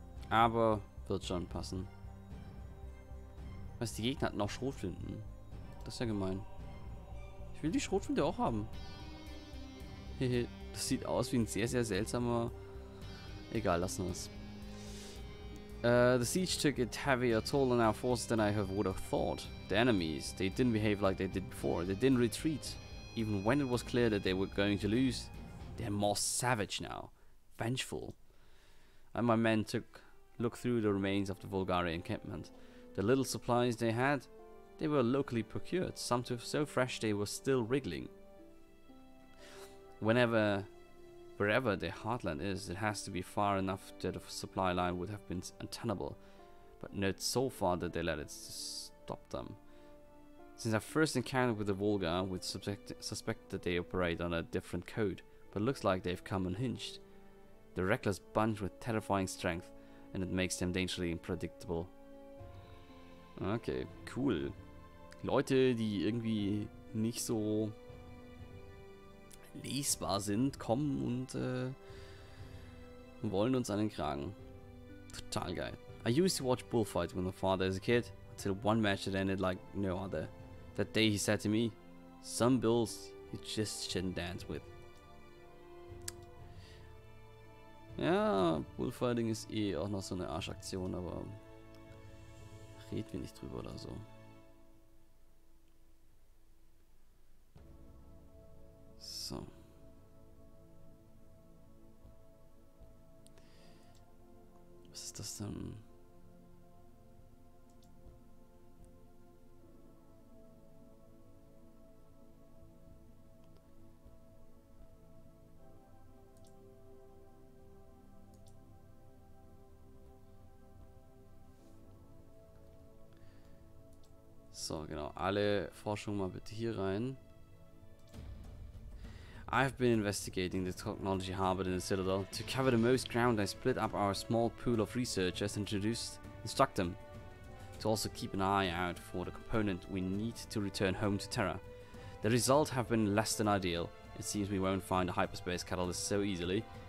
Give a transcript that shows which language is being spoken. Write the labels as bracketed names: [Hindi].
[German] Aber wird schon passen. Was, die Gegner hatten auch Schrotflinten. Das ist ja gemein. Ich will die Schrotflinte auch haben. Hehe, das sieht aus wie ein sehr, sehr seltsamer. Egal, lassen wir es. [English] The siege took a heavier toll on our forces than I would have thought. The enemies, they didn't behave like they did before. They didn't retreat. Even when it was clear that they were going to lose, they're more savage now, vengeful. And my men took a look through the remains of the Volgari encampment. The little supplies they had, they were locally procured, some so fresh they were still wriggling. Wherever the heartland is, it has to be far enough that a supply line would have been untenable, but not so far that they let it stop them. Since our first encounter with the Volga, we suspect that they operate on a different code, but it looks like they've come unhinged. The reckless bunch with terrifying strength, and it makes them dangerously unpredictable. Okay, cool. [German] Leute, die irgendwie nicht so lesbar sind, kommen und wollen uns einen Kragen. Total geil. [English] I used to watch bullfights with my father as a kid, until one match had ended like no other. That day he said to me, some bulls you just shouldn't dance with. [German] Ja, Bullfighting ist eh auch noch so eine Arschaktion, aber red mir nicht drüber oder so. So. Was ist das denn? So, genau, alle Forschung mal bitte hier rein. [English] I've been investigating the technology harbored in the Citadel. To cover the most ground, I split up our small pool of researchers and instruct them to also keep an eye out for the component we need to return home to Terra. The results have been less than ideal. It seems we won't find a hyperspace catalyst so easily.